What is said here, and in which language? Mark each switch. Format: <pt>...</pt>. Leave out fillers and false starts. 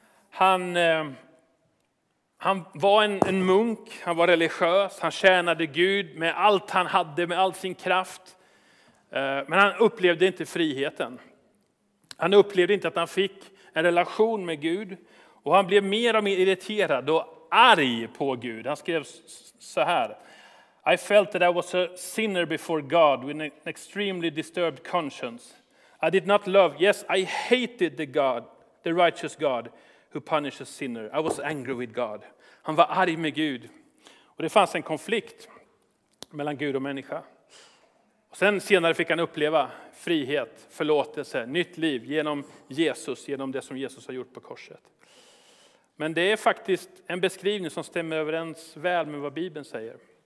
<sv>Han var en munk, han var religiös, han tjänade Gud med allt han hade, med all sin kraft. Men han upplevde inte friheten. Han upplevde inte att han fick en relation med Gud. Och han blev mer och mer irriterad och arg på Gud. Han skrev så här.</sv> <en>I felt that I was a sinner before God with an extremely disturbed conscience. I did not love, yes, I hated the God, the righteous God who punishes sinner. I was angry with God.</en> <sv>Han var arg med Gud. Och det fanns en konflikt mellan Gud och människa. Och sen senare fick han uppleva frihet, förlåtelse, nytt liv genom Jesus, genom det som Jesus har gjort på korset. Men det är faktiskt en beskrivning som stämmer överens väl med vad Bibeln säger.</sv>